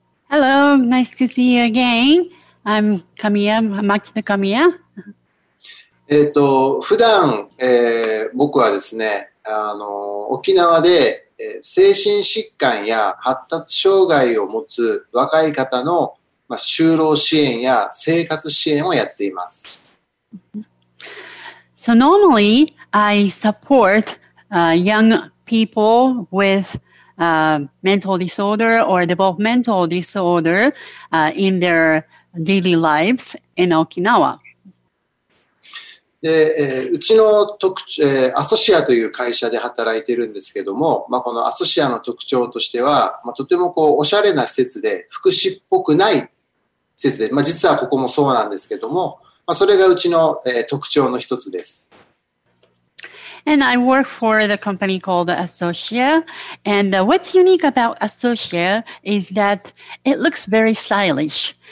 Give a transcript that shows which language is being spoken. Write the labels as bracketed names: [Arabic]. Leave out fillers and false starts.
[English] Hello, nice to see you again. I'm Kamiya, Makito Kamiya. [Japanese] 普段、僕はですね、沖縄で、精神疾患や発達障害を持つ若い方の、就労支援や生活支援をやっています。 [English] So normally, I support, young people withmental disorder or developmental disorder in their daily lives in Okinawa. [Japanese] で、うちの特徴、アソシアという会社で働いてるんですけども、このアソシアの特徴としては、とてもこうおしゃれな施設で、福祉っぽくない施設で、実はここもそうなんですけども、それがうちの、特徴の一つです。 [English] And I work for the company called Associa. And what's unique about Associa is that it looks very stylish.